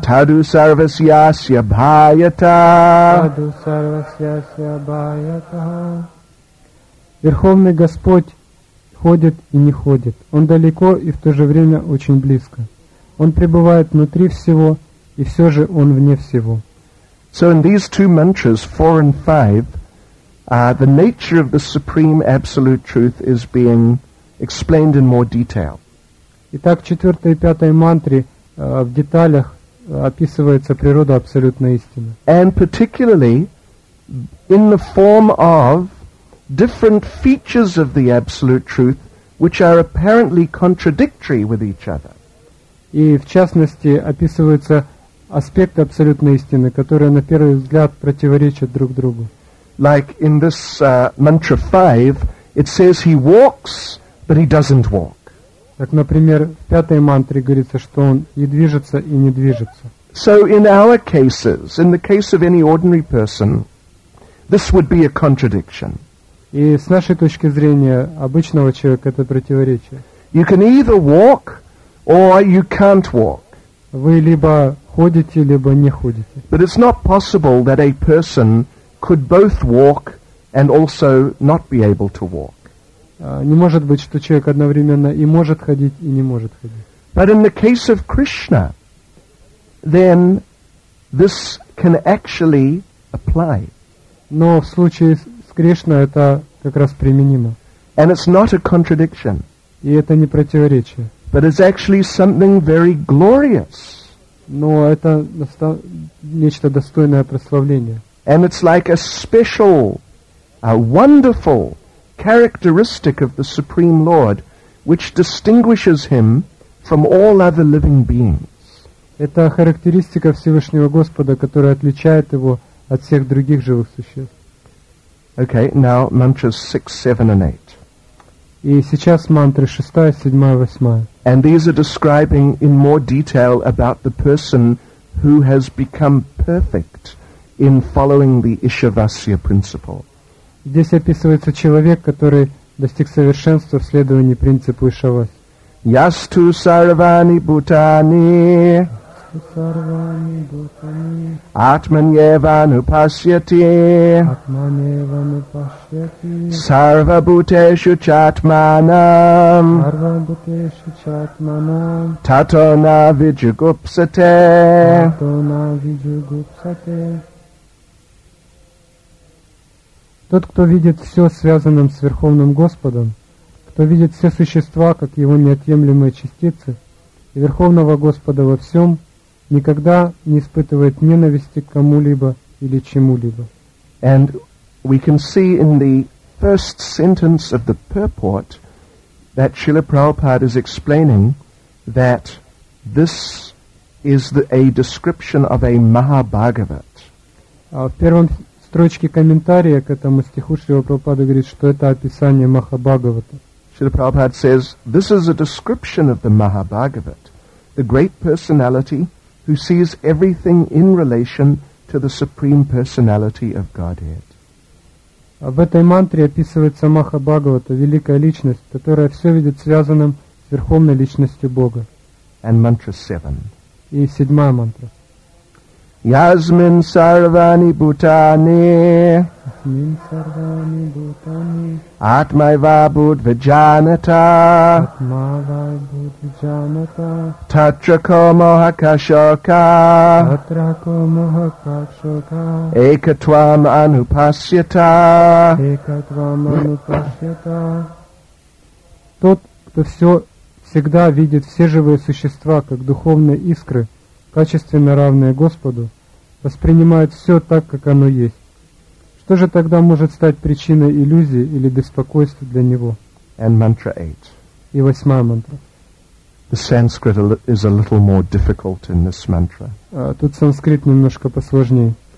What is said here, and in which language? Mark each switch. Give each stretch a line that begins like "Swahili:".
Sanskrit: Tadu sarvasyasya bhayata. Tadu sarvasyasya bhayata.
Russian: Верховный Господь ходит и не ходит. Он далеко и в то же время очень близко. Он пребывает внутри всего, и все же он вне всего.
English: So in these two mantras, 4 and 5, the nature of the Supreme Absolute Truth is being explained in more detail.
Russian: Итак, четвертая и пятая мантры в деталях описывается природа абсолютной истины.
English: And particularly in the form of different features of the Absolute Truth, which are apparently contradictory with each other.
Russian: И в частности описываются аспекты абсолютной истины, которые на первый взгляд противоречат друг другу.
English: Like in this mantra 5, it says he walks, but he doesn't walk.
Russian: Так, например, в пятой мантре говорится, что он и движется, и не движется.
English: So in our cases, in the case of any ordinary person, this would be a contradiction.
Russian: И с нашей точки зрения обычного человека это противоречие.
English: You can either walk, or you can't walk.
Russian: Вы либо ходите, либо не ходите.
English: But it's not possible that a person could both walk and also not be able to walk.
Russian: Не может быть, что человек одновременно и может ходить, и не может ходить.
English: But in the case of Krishna, then this can actually apply.
Russian: Но в случае с Кришной это как раз применимо.
English: And it's not a contradiction.
Russian: И это не противоречие.
English: But it's actually something very glorious.
Russian: Но это нечто достойное прославления.
English: And it's like a special, a wonderful characteristic of the Supreme Lord, which distinguishes him from all other living beings.
Russian: Это характеристика Всевышнего Господа, которая отличает его от всех других живых существ.
English: Okay, now mantras 6, 7, and 8.
Russian: И сейчас мантры 6, 7, 8.
English: And these are describing in more detail about the person who has become perfect in following the Ishavasya principle.
Russian: Здесь описывается человек, который достиг совершенства в следовании принципу Ишавасы.
Sanskrit: Ястху сарвани бутани. Ястху сарвани бутани. Атманьеванупасьяти. Атманьеванупасьяти. Сарвабутешу чатманам. Сарвабутешу чатманам. Тато на виджугупсате. Тато на виджугупсате.
Russian: Тот, кто видит все связанным с Верховным Господом, кто видит все существа, как его неотъемлемые частицы, и Верховного Господа во всем, никогда не испытывает ненависти к кому-либо или чему-либо.
English: And we can see in the first sentence of the purport that Srila Prabhupada is explaining that this is a description of a Mahabhagavat.
Russian: В строчке комментария к этому стиху Шрила Прабхупада говорит, что это описание Махабхагавата.
English: Шрила Прабхупада says, this is a description of the Mahabhagavat, the great personality who sees everything in relation to the supreme personality of Godhead.
Russian: В этой мантре описывается Маха-Бхагавата, великая личность, которая все видит связанным с верховной личностью Бога.
English: And mantra 7.
Russian: И седьмая мантра.
Sanskrit: Ясмин сарвани бутани. Ясмин сарвани бутани. Атмай вабуд виджаната. Атмай вабуд виджаната. Татрако мохакашока. Татрако мохакашока. Экатвам анупасьята. Экатвам анупасьята.
Russian: Тот, кто все всегда видит все живые существа как духовные искры, качественно равные Господу, воспринимает все так, как оно есть. Что же тогда может стать причиной иллюзии или беспокойства для него?
English: And mantra 8.
Russian: И восьмая мантра.
English: The Sanskrit is a little more difficult in this mantra.
Russian: Тут санскрит немножко посложнее.